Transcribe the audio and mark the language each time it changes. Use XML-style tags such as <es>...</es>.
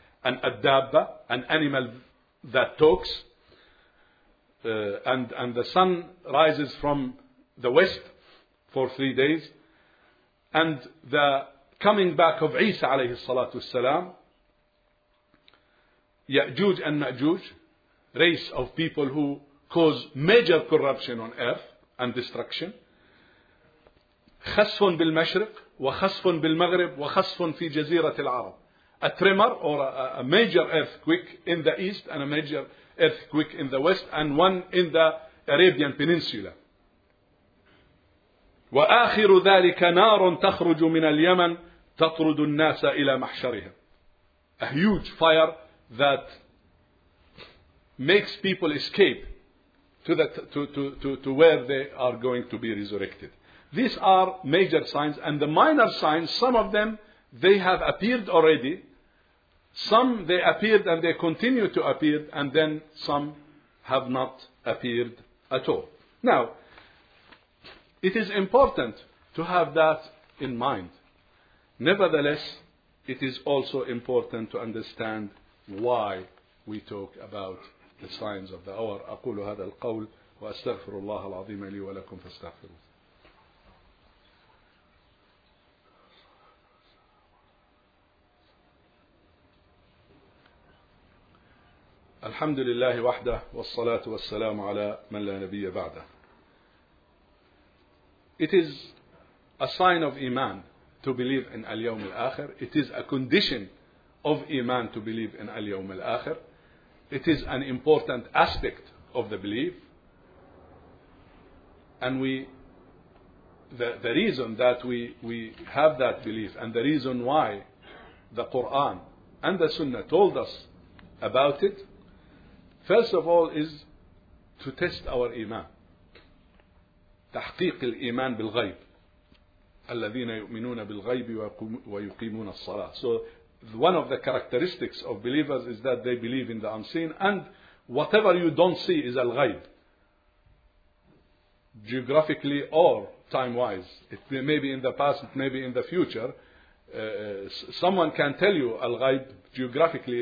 <en>An adabba, an animal that talks, and the sun rises from the west for 3 days, and the coming back of Isa alayhi salatu salam, Ya'juj and Ma'juj, race of people who cause major corruption on earth and destruction.</en> <ar>خصف بالمشرق وخصف بالمغرب وخصف في جزيرة العرب.</ar> <en>A tremor or a major earthquake in the east and a major earthquake in the west and one in the Arabian Peninsula.</en> <ar>وآخر ذلك نار تخرج من اليمن تطرد الناس إلى محشرهم.</ar> <en>A huge fire that makes people escape to where they are going to be resurrected. These are major signs, and the minor signs, some of them, they have appeared already. Some they appeared and they continue to appear, and then some have not appeared at all. Now, it is important to have that in mind. Nevertheless, it is also important to understand why we talk about the signs of the hour.</en> <ar>أقول هذا القول وأستغفر الله العظيم لي ولكم فاستغفروا. الحمد لله وحده والصلاة والسلام على من لا نبي بعده.</ar> <en>It is a sign of iman to believe in اليوم الآخر. It is a condition of iman to believe in al-yawm al-akhir. It is an important aspect of the belief, and the reason that we have that belief, and the reason why the Quran and the Sunnah told us about it, first of all, is to test our iman.</en> <ar>تحقيق الإيمان بالغيب الذين يؤمنون بالغيب ويقيمون الصلاة.</ar> <en>So one of the characteristics of believers is that they believe in the unseen, and whatever you don't see is al-ghayb, geographically or time-wise. It may be in the past, it may be in the future. Someone can tell you al-ghayb geographically.</en>